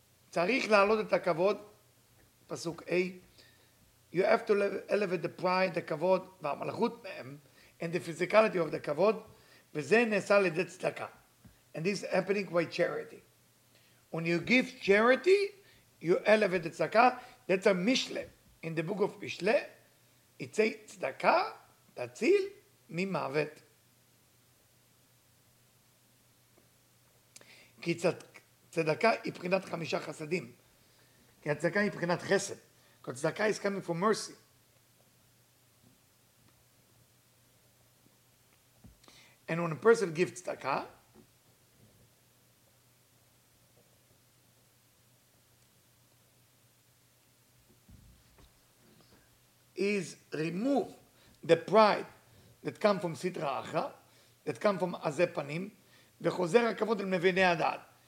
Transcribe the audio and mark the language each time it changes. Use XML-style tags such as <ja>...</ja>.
<he>צריך להעלות את הכבוד, פסוק A,</he> <en>you have to elevate the pride, the kavod,</en> <he>והמלכות מהם,</he> <en>and the physicality of the kavod,</en> <he>וזה נעשה לידי צדקה.</he> <en>And this is happening by charity. When you give charity, you elevate the צדקה, that's a mishle. In the book of mishle, it says,</en> <he>צדקה, תציל, ממוות. כי צדקה היא בחינת חמישה חסדים. כי הצדקה היא בחינת חסד.</he> <en>But tzedakah is coming for mercy. And when a person gives tzedakah, is remove the pride that comes from sitra achra, that comes from azeh panim,</en> <he>v'chozer hakavod el mevinei hadat.</he>